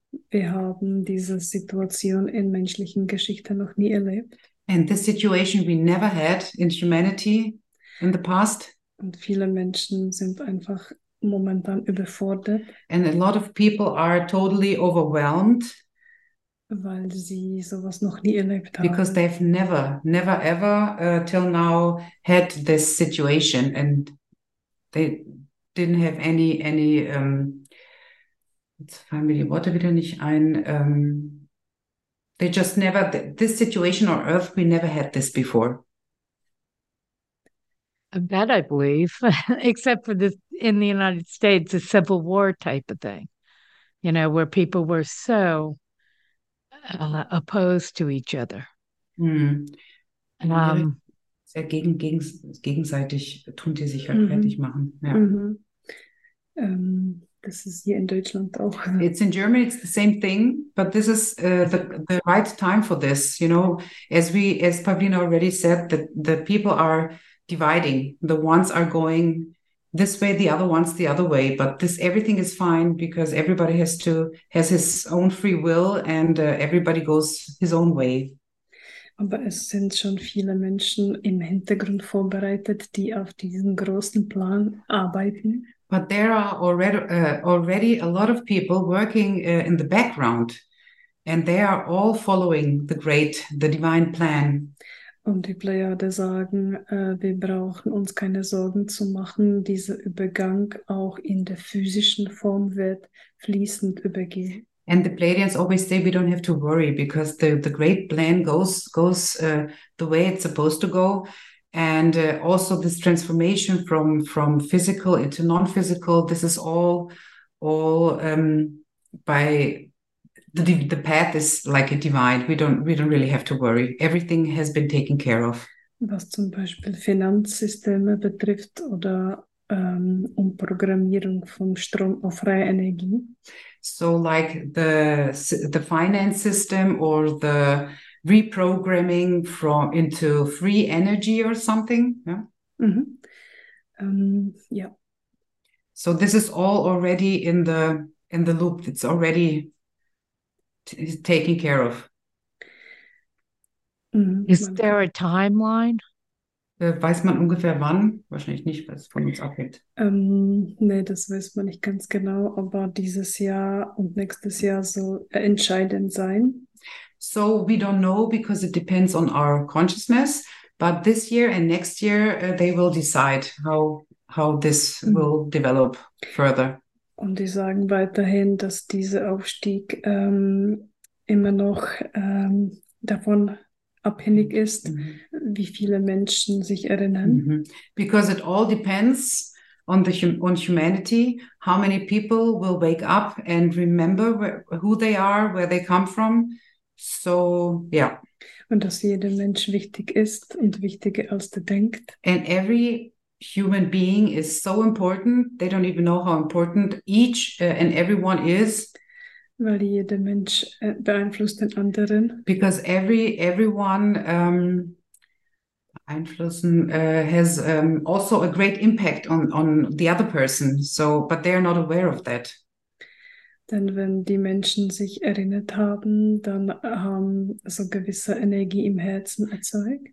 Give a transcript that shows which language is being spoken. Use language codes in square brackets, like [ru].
[de] Wir haben diese Situation in menschlichen Geschichten noch nie erlebt. [en] And this situation we never had in humanity in the past. [de] Und viele Menschen sind einfach momentan überfordert. [en] And a lot of people are totally overwhelmed. [de] Weil sie sowas noch nie erlebt haben. [en] Because they've never, never ever till now had this situation. And they didn't have any [de] jetzt fallen mir die Worte wieder nicht ein. [en] They just never, this situation on Earth, we never had this before. That I believe, except for this in the United States, a civil war type of thing, you know, where people were so opposed to each other. [de] Sehr gegenseitig tun die sich halt fertig machen. Ja. Mm-hmm. Das ist hier in Deutschland auch. [en] It's in Germany, it's the same thing, but this is the right time for this. You know, as Pavlina already said, the people are dividing. The ones are going this way, the other ones the other way. But this everything is fine because everybody has his own free will and everybody goes his own way. [de] Aber es sind schon viele Menschen im Hintergrund vorbereitet, die auf diesen großen Plan arbeiten. [en] But there are already a lot of people working in the background, and they are all following the divine plan. [de] Und die Pleiade sagen, wir brauchen uns keine Sorgen zu machen. Dieser Übergang auch in der physischen Form wird fließend übergehen. [en] And the Pleiadians always say we don't have to worry because the great plan goes the way it's supposed to go. And also this transformation from physical into non-physical, this is all by the path is like a divine. We don't really have to worry. Everything has been taken care of. [de] Was zum Beispiel Finanzsysteme betrifft oder Umprogrammierung von Strom auf freie Energie. [en] So like the finance system or the reprogramming from into free energy or something. Yeah. Mm-hmm. So this is all already in the in the loop. It's already taken care of. Is there a timeline? [de] Weiß man ungefähr wann? Wahrscheinlich nicht, weil es von uns abhängt. Nee, das weiß man nicht ganz genau, aber dieses Jahr und nächstes Jahr soll entscheidend sein. [en] So we don't know because it depends on our consciousness, but this year and next year they will decide how this will develop further. [de] Und die sagen weiterhin, dass dieser Aufstieg immer noch davon abhängig ist, wie viele Menschen sich erinnern. Mm-hmm. [en] Because it all depends on the humanity, how many people will wake up and remember who they are, where they come from. So, yeah. [de] Und dass jeder Mensch wichtig ist und wichtiger als er denkt. [en] And every human being is so important, they don't even know how important each and everyone is. [de] Weil jeder Mensch beeinflusst den anderen. [en] Because everyone beeinflussen, has also a great impact on the other person. So, but they are not aware of that. [de] Denn wenn die Menschen sich erinnert haben, dann haben so gewisse Energie im Herzen erzeugt.